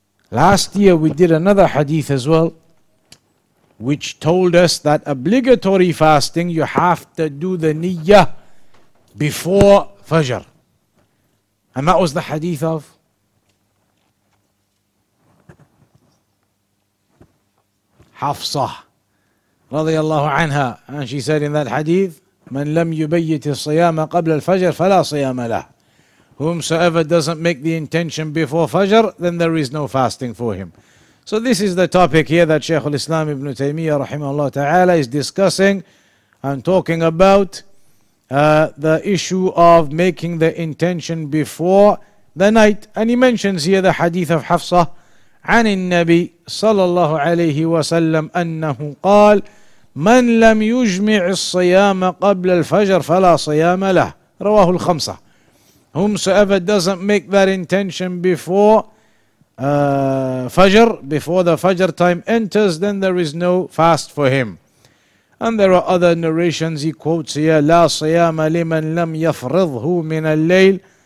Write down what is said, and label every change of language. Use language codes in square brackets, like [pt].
[en] Last year we did another hadith as well, which told us that obligatory fasting, you have to do the niyyah before Fajr. And that was the hadith of Hafsa radiallahu anha. And she said in that hadith, [ar] من لم يبيت الصيام قبل الفجر فلا صيام له. [en] Whomsoever doesn't make the intention before Fajr, then there is no fasting for him. So this is the topic here that Shaykh al-Islam Ibn Taymiyyah rahimahullah ta'ala is discussing and talking about the issue of making the intention before the night. And he mentions here the hadith of Hafsa [ar] عن النبي صلى الله عليه وسلم أنه قال من لم يجمع الصيام قبل الفجر فلا صيام له رواه الخمسة. [en] Whomsoever doesn't make that intention before Fajr, before the Fajr time enters, then there is no fast for him. And there are other narrations he quotes here, [ar] لا صيام لمن لم يفرضه من الليل.